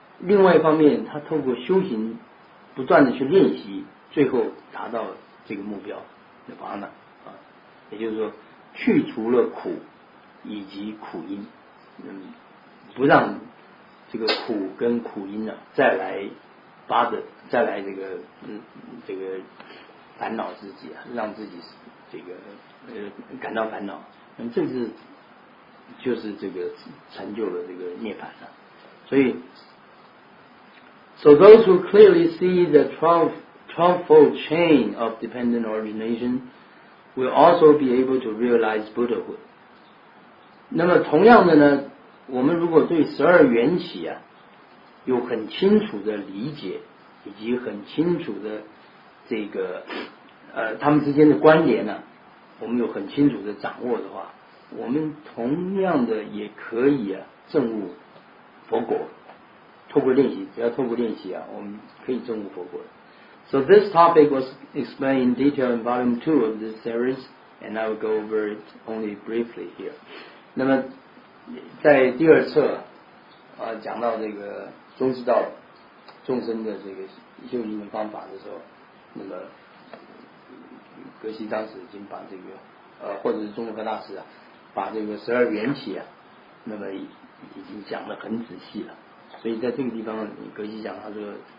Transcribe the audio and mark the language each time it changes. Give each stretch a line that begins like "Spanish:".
Chinese: 另外一方面他透过修行不断的去练习，最后达到这个目标涅槃了啊，也就是说去除了苦以及苦因，嗯，不让这个苦跟苦因呢，啊，再来巴的，再来这个这个烦恼自己啊，让自己这个感到烦恼，那，这是就是这个成就了这个涅槃了，啊。
English: 所以 ，so those who clearly see the twelvefold chain of dependent origination will also be able to realize Buddhahood。
Chinese: 那么同样的呢，我们如果对十二缘起啊有很清楚的理解，以及很清楚的这个他们之间的关联呢，我们有很清楚的掌握的话，我们同样的也可以啊证悟佛果，透过练习，只要透过练习啊，我们可以证悟佛果。
English: So this topic was explained in detail in volume 2 of this series, and I will go over it only briefly here.
Chinese: 那么在第二册讲到这个中之道众生的这个修行的方法的时候，那么格西当时已经把这个或者是中和大师啊把这个十二缘起啊那么已经讲得很仔细了。所以在这个地方格西讲，他说